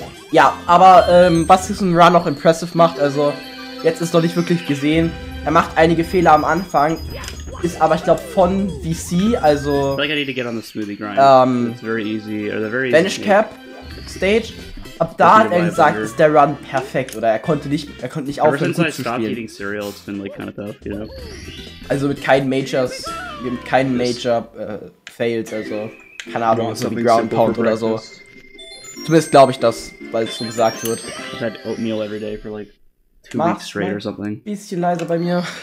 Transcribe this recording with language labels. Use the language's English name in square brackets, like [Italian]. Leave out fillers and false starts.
[German] Ja, aber was diesen Run noch impressive macht, also jetzt ist noch nicht wirklich gesehen. Er macht einige Fehler am Anfang, ist aber ich glaube von VC, also Vanish Cap Stage. Ab da hat er gesagt, ist der Run perfekt, oder er konnte nicht aufhören gut zu spielen. [English] Ever since I stopped eating cereal, it's been like kind of tough, you know? [German] Also mit keinem Major Fails, also keine Ahnung, so wie Ground Pound oder so. Zumindest glaube ich das, weil es so gesagt wird. [English] I've had oatmeal every day for like 2 weeks straight or something. [German] Ein bisschen leiser bei mir.